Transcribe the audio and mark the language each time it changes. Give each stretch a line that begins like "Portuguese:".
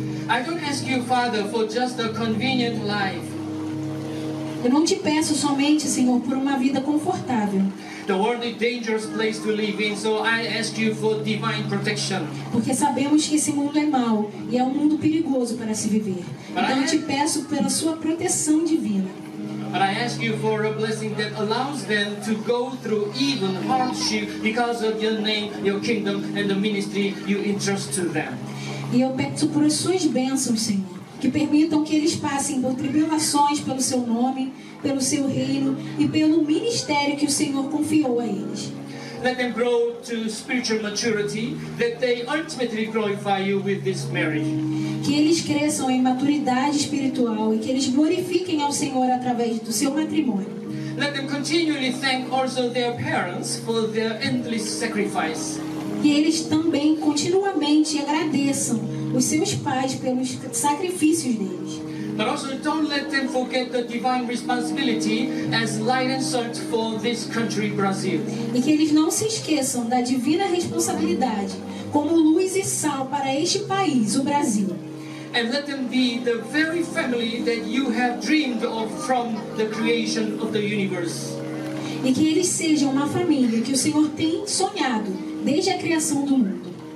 English: I don't ask you, Father, for just a convenient life.
Portuguese: Eu não te peço somente, Senhor, por uma vida confortável.
English: The world is a dangerous place to live in, so I ask you for divine protection.
Portuguese: Porque sabemos que esse mundo é mau e é um mundo perigoso para se viver. Então eu te peço pela sua proteção divina.
English: But I ask you for a blessing that allows them to go through even hardship because of your name, your kingdom, and the ministry you entrust to them.
Portuguese: E eu peço por as suas bênçãos, Senhor, que permitam que eles passem por tribulações pelo seu nome, pelo seu reino e pelo ministério que o Senhor confiou a eles.
English: Let them grow to spiritual maturity, that they ultimately glorify you with this marriage.
Portuguese: Que eles cresçam em maturidade espiritual e que eles glorifiquem ao Senhor através do seu matrimônio.
English: Let them continually thank also their parents for their endless sacrifice.
Portuguese: Que eles também continuamente agradeçam os seus pais pelos sacrifícios deles.
English: But also don't let them forget the divine responsibility as light and salt for this country, Brazil.
Portuguese: E que eles não se esqueçam da divina responsabilidade como luz e sal para este país, o Brasil.
English: And let them be the very family that you have dreamed of from the creation of the universe.
Portuguese: E que eles sejam uma família que o Senhor tem sonhado desde a criação do mundo.